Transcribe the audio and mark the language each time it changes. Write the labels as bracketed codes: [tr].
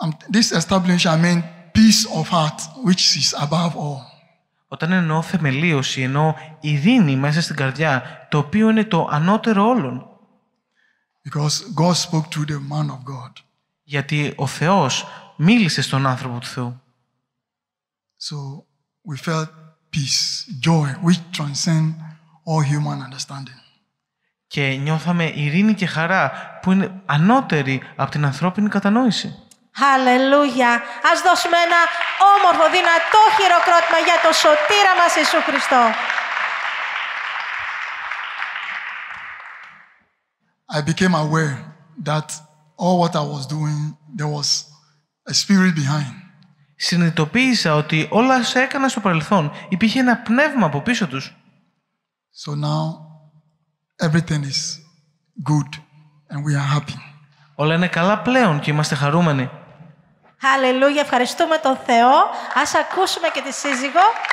[en] This establishment, I mean peace of heart, which is above all. [el] Όταν εννοώ θεμελίωση, εννοώ ειρήνη μέσα στην καρδιά, το οποίο είναι το ανώτερο όλων. [en] Because God spoke to the man of God. [el] Γιατί ο Θεός μίλησε στον άνθρωπο του Θεού. [en] So we felt peace, joy, which transcend all human understanding. [el] Και νιώθαμε ειρήνη και χαρά που είναι ανώτερη από την ανθρώπινη κατανόηση. Αλληλούια! Ας δώσουμε ένα όμορφο, δυνατό χειροκρότημα για το σωτήρα μας Ιησού Χριστό. [en] I became aware that all what I was doing, there was a spirit behind. [el] Συνειδητοποίησα ότι όλα όσα έκανα στο παρελθόν υπήρχε ένα πνεύμα από πίσω τους. [en] So now everything is good and we are happy. [el] Όλα είναι καλά πλέον και είμαστε χαρούμενοι. Αλληλούια, ευχαριστούμε τον Θεό. Ας ακούσουμε και τη σύζυγο.